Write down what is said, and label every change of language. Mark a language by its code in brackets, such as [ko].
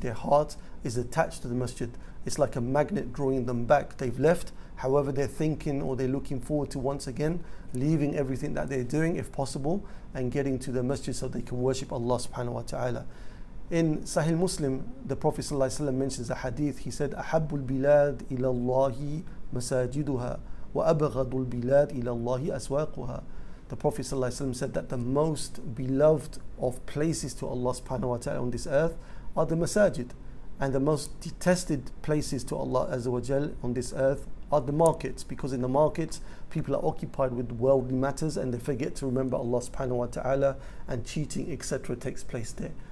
[en] Their heart is attached to the masjid. It's like a magnet drawing them back. They've left, however they're thinking or they're looking forward to once again leaving everything that they're doing if possible and getting to the masjid so they can worship Allah subhanahu wa ta'ala. In Sahih Muslim, the Prophet sallallahu alaihi wasallam mentions a hadith. He said, [ar] أَحَبُّ الْبِلَادِ إِلَى اللَّهِ مَسَاجِدُهَا وَأَبَغَضُ الْبِلَادِ إِلَى اللَّهِ أَسْوَاقُهَا. [en] The Prophet ﷺ said that the most beloved of places to Allah subhanahu wa ta'ala on this earth are the masajid, and the most detested places to Allah azza wa jal on this earth are the markets, because in the markets people are occupied with worldly matters and they forget to remember Allah subhanahu wa ta'ala, and cheating etc. takes place there.